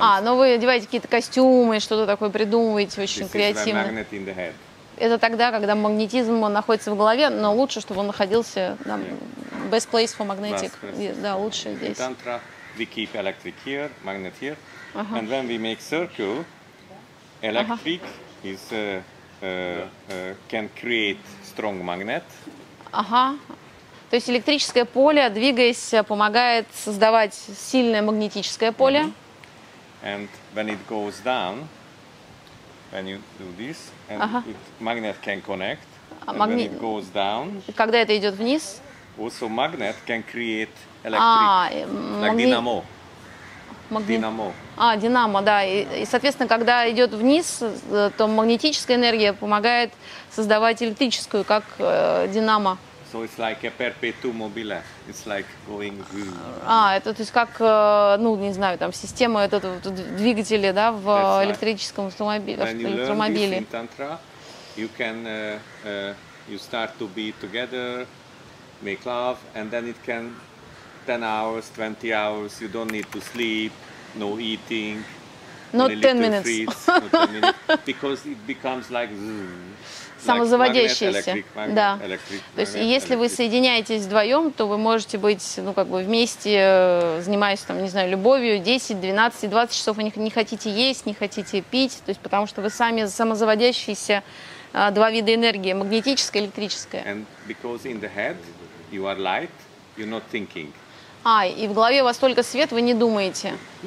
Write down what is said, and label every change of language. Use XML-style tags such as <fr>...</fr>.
<ru>А, ну вы одеваете какие-то костюмы, что-то такое придумываете, очень</ru> <en>this</en> <ru>креативно.</ru> <en>Magnet in the head.</en> <ru>Это тогда, когда магнетизм находится в голове, но лучше, чтобы он находился там,</ru> <en>best place for magnetic.</en> <ru>Да, лучше здесь.</ru> <en>In Tantra, we keep electric here, magnet here, and when we make circle, electric is can create strong magnet.</en> <ru>То есть электрическое поле, двигаясь, помогает создавать сильное магнетическое поле.</ru> <en>And when it goes down, when you do this, and it, magnet can connect. And when it goes down,</en> <ru>когда это идет вниз,</ru> <en>also magnet can create electric, like dynamo. Dynamo.</en> <ru>А, динамо, да. И, соответственно, когда идет вниз, то магнетическая энергия помогает создавать электрическую, как динамо.</ru> <en>So it's like a perpetuum mobile. It's like going.</en> <ru>А, это то есть как, ну, не знаю, там система этот вот, двигатели, да, в That's электрическом автомобиле.</ru> <en>When you learn this in tantra, you can you start to be together, make love, and then it can 10 hours, 20 hours. You don't need to sleep, no eating. Not 10 minutes. Fritz, not 10 minutes. Because it becomes like.</en> <ru>Самозаводящиеся, like да. То есть, magnet, если electric. Вы соединяетесь вдвоем, то вы можете быть, ну, как бы вместе, занимаясь, там, не знаю, любовью, 10, 12, 20 часов, вы не хотите есть, не хотите пить, то есть, потому что вы сами самозаводящиеся, два вида энергии, магнетическая и электрическая.</ru> <en>And because in the head you are light, you're not thinking.</en> <ru>А, и в голове у вас только свет, вы не думаете.</ru>